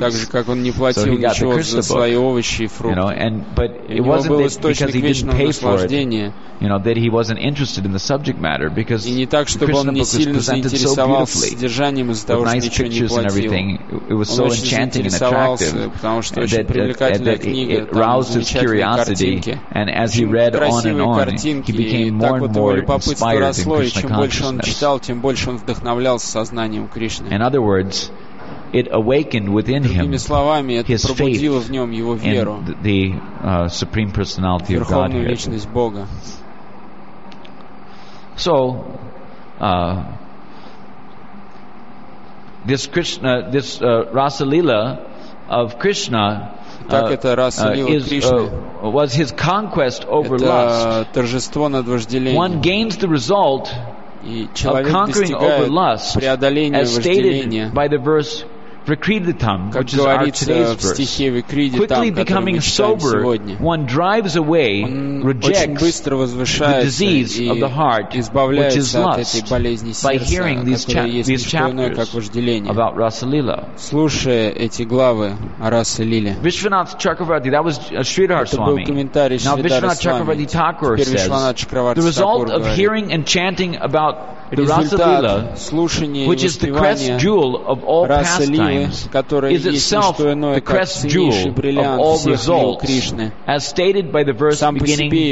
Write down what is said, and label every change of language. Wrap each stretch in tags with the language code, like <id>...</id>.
<ru>Так же, как он не платил ничего за свои овощи и фрукты.</ru> <en>You know, but it wasn't that because he didn't pay for it, you know, that he wasn't interested in the subject matter, because</en> <ru>и не так, чтобы он не сильно заинтересовался содержанием из-за того, что ничего не платил.</ru> <en>It was so enchanting and attractive,</en> <ru>потому что очень привлекательная книга,</ru> <en>it roused his curiosity, and as he read on and</en> <ru>картинки,</ru> <en>became more</en> <ru>и так вот его любопытство росло, и чем больше он читал, тем больше он вдохновлялся сознанием Кришны.</ru> <en>In other words, it awakened within him</en> <ru>другими словами, это</ru> <en>his</en> <ru>пробудило</ru> <en>faith</en> <ru>в нем его веру</ru> <en>in the supreme personality of Godhead.</en> <ru>Верховную личность Бога.</ru> <en>So, this Krishna, this Rasa Lila of Krishna, was his conquest over lust. One gains the result of conquering over lust, as stated by the verse Vikriditam, which is our today's verse. Quickly becoming sober, one drives away, rejects the disease of the heart, which is lust, by hearing these chapters about Rasa Lila.</en> <ru>Слушая эти главы о Расе Лиле.</ru> <en>Vishwanath Chakravarti, that was Sridhar Swami. Now Vishwanath Chakravarti Thakur says, the result of hearing and chanting about the Rasa Lila, which is the crest jewel of all pastimes, is itself the crest jewel of all results, as stated by the verse beginning</en>